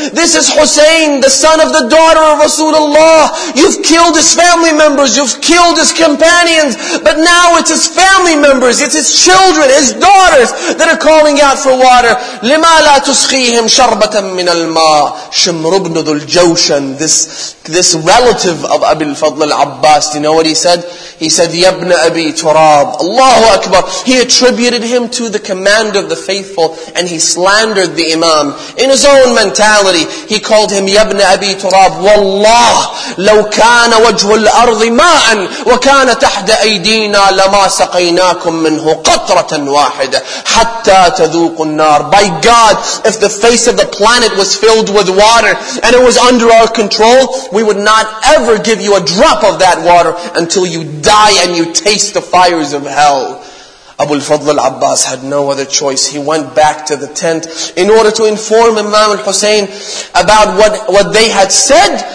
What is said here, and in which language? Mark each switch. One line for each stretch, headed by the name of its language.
English: This is Hussein, the son of the daughter of Rasulullah. You've killed his family members. You've killed his companions. But now it's his family members. It's his children, his daughters that are calling out for water.
Arabic: لما لا تسخيهم شربة من الماء شمر ابن ذو الجوشن.
English: This relative of Abu al-Fadl al-Abbas. Do you know what he said? He said, Yabna Abi Turab. Allahu Akbar. He attributed him to the command of the faithful and he slandered the Imam. In his own mentality, he called him Yabna Abi Turab.
Arabic: Wallah, لو كان وجه الأرض ماء وكان تحت أيدينا لما سقيناكم منه قطرة واحدة حتى تذوق النار.
English: By God, if the face of the planet was filled with water and it was under our control, we would not ever give you a drop of that water until you die and you taste the fires of hell. Abu al-Fadl al-Abbas had no other choice. He went back to the tent in order to inform Imam al-Hussein about what they had said,